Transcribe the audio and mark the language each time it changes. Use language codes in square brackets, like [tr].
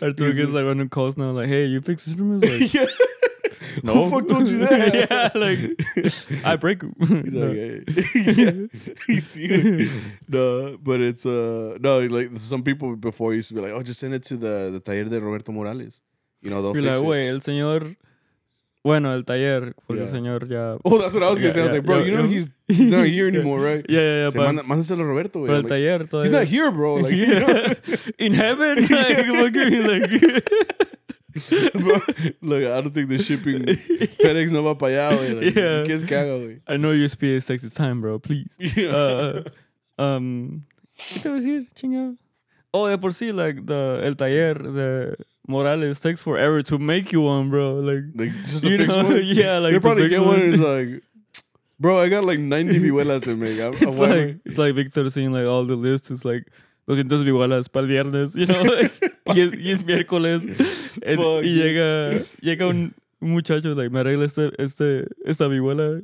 [en] Arturo gets, like, random calls now, like, hey, you fix instruments? Like, yeah. No. Who the fuck told you that? Yeah, like, I break them. He's like, hey. Yeah. He's you. No, but it's, no, like, some people before used to be like, oh, just send it to the [es] taller de [en] Roberto Morales. You know, they'll you're fix like, it. [es] Wait, el señor... Bueno, el taller, porque yeah. El señor ya... [en] Oh, that's what I was going to say. Yeah, I was like, bro, yeah, you know he's not here anymore, yeah. Right? Yeah, yeah, yeah. Say, but [es] mándaselo a Roberto. Pero el like, taller todavía... [en] He's not here, bro. Like, yeah. You know? In heaven? Like, look at me like... Bro, look, I don't think the shipping... [es] FedEx no va para allá, güey. [en] Like, yeah. [es] ¿Qué es caga, güey? [en] I know USPA takes its time, bro. Please. [es] ¿Qué te voy a decir, chingado? Oh, de por sí, like, el taller de... [en] Morales takes forever to make you one, bro. Like just you know? One? Yeah, like you probably get one. And it's like, bro, I got like 90 vihuelas to make. It's like Victor seeing like all the lists. It's like 200 vihuelas [es] para el viernes, [en] you know? [es] Y es miércoles. Y llega un muchacho like me arregla esta vihuela.